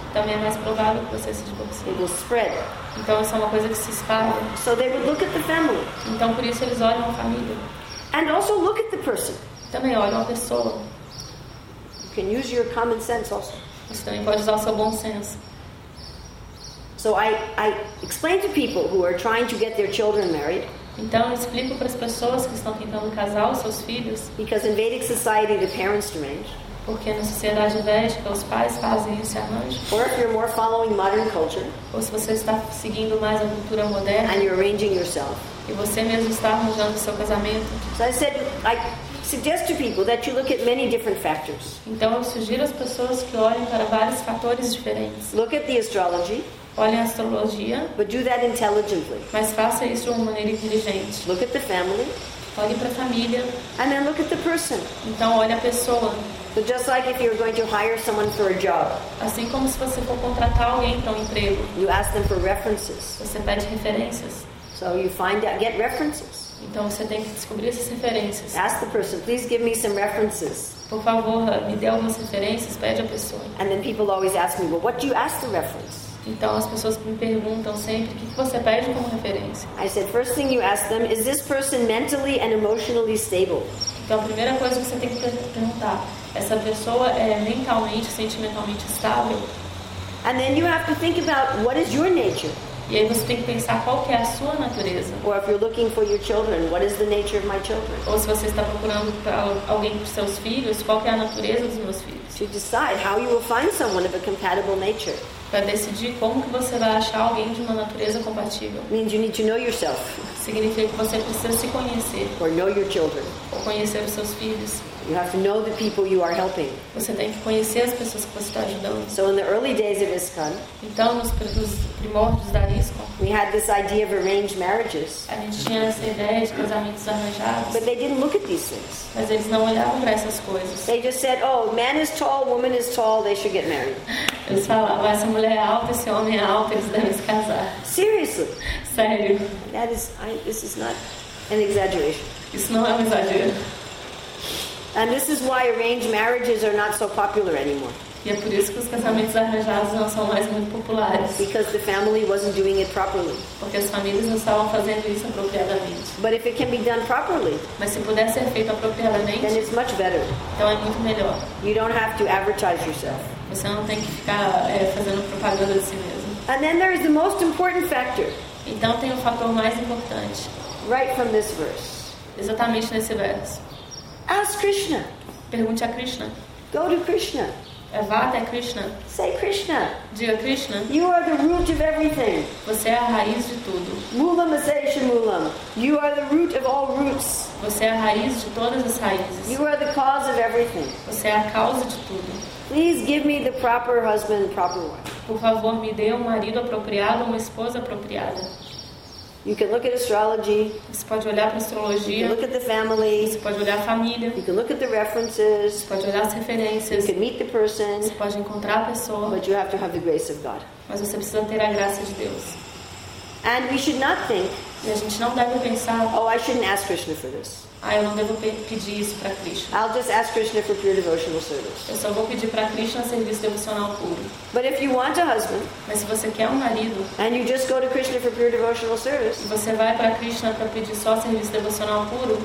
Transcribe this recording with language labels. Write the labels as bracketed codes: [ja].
[pt] Também é mais provável que você se divorcie. [en] It will spread. [pt] Então isso é uma coisa que se espalha. [en] So they would look at the family. [pt] Então por isso eles olham a família. [en] And also look at the person. [pt] Também olham a pessoa. [en] You can use your common sense also. [pt] Você também pode usar o seu bom senso. [en] So I explain to people who are trying to get their children married. [pt] Então eu explico para as pessoas que estão tentando casar os seus filhos. [en] Because in Vedic society the parents arrange. [pt] Porque na sociedade védica os pais fazem esse arranjo. [en] Or if you're more following modern culture. [pt] Ou se você está seguindo mais a cultura moderna. [en] And you're arranging yourself. [pt] E você mesmo está arranjando seu casamento. [en] So I said, I suggest to people that you look at many different factors. [pt] Então eu sugiro às pessoas que olhem para vários fatores diferentes. [en] Look at the astrology. [pt] Olhem a astrologia. [en] But do that intelligently. [pt] Mas faça isso de uma maneira inteligente. [en] Look at the family. [pt] Olhe para a família. [en] And then look at the person. [pt] Então olhe a pessoa. [en] So just like if you're going to hire someone for a job. [pt] Assim como se você for contratar alguém para um emprego. [en] You ask them for references. [pt] Você pede referências. [en] So you find out, get references. [pt] Então você tem que descobrir essas referências. [en] Ask the person, please give me some references. [pt] Por favor, me dê algumas referências. Pede a pessoa. [en] And then people always ask me, well, what do you ask the reference? [pt] Então as pessoas me perguntam sempre, o que você pede como referência? [en] I said, first thing you ask them, is this person mentally and emotionally stable? [pt] Então a primeira coisa que você tem que perguntar, essa pessoa é mentalmente, sentimentalmente estável? [en] And then you have to think about, what is your nature? [pt] E aí você tem que pensar qual que é a sua natureza. [en] Or if you're looking for your children, what is the nature of my children? [pt] Ou se você está procurando alguém para os seus filhos, qual que é a natureza dos meus filhos? [en] To decide how you will find someone of a compatible nature. [pt] Para decidir como que você vai achar alguém de uma natureza compatível. [en] Means you need to know yourself. [pt] Significa que você precisa se conhecer. [en] Or know your children. [pt] Ou conhecer os seus filhos. [en] You have to know the people you are helping. [pt] Você tem que conhecer as pessoas que você está ajudando. [en] So in the early days of ISKCON, [pt] então nos primórdios da ISKCON, [en] we had this idea of arranged marriages. [pt] A gente tinha essa ideia de casamentos arranjados. [en] But they didn't look at these things. [pt] Mas eles não olhavam para essas coisas. [en] They just said, oh, man is tall, woman is tall, they should get married. [pt] Eles falavam, essa mulher é alta, esse homem é alto, eles devem se casar. [en] Seriously? [pt] Sério? [en] This is not an exaggeration. [pt] Isso não é um exagero. [en] And this is why arranged marriages are not so popular anymore. [pt] E é por isso que os casamentos arranjados não são mais muito populares. [en] Because the family wasn't doing it properly. [pt] Porque as famílias não estavam fazendo isso apropriadamente. [en] But if it can be done properly, [pt] mas se puder ser feito apropriadamente, [en] then it's much better. [pt] Então é muito melhor. [en] You don't have to advertise yourself. [pt] Você não tem que ficar fazendo propaganda de si mesmo. [en] And then there is the most important factor. [pt] Então tem o fator mais importante. [en] Right from this verse. [pt] Exatamente nesse verso. [en] Ask Krishna. [pt] Pergunte a Krishna. [en] Go to Krishna. [pt] Vá até Krishna. [en] Say Krishna. [pt] Diga Krishna. [en] You are the root of everything. [pt] Você é a raiz de tudo. [sa] Mulam asesha mulam. [en] You are the root of all roots. [pt] Você é a raiz de todas as raízes. [en] You are the cause of everything. [pt] Você é a causa de tudo. [en] Please give me the proper husband, proper wife. [pt] Por favor, me dê marido apropriado, uma esposa apropriada. [en] You can look at astrology. [pt] Você pode olhar para astrologia. [en] You can look at the family. [pt] Você pode olhar a família. [en] You can look at the references. [pt] Você pode olhar as referências. [en] You can meet the person. [pt] Você pode encontrar a pessoa. [en] But you have to have the grace of God. [pt] Mas você precisa ter a graça de Deus. [en] And we should not think. [pt] E a gente não deve pensar. [en] Oh, I shouldn't ask Krishna for this. [pt] Ah, eu não devo pedir isso para Krishna. [en] I'll just ask Krishna for pure devotional service. [pt] Eu só vou pedir para Krishna serviço devocional puro. [en] But if you want a husband, [pt] mas se você quer marido, [en] and you just go to Krishna for pure devotional service, [pt] e você vai para Krishna para pedir só serviço devocional puro,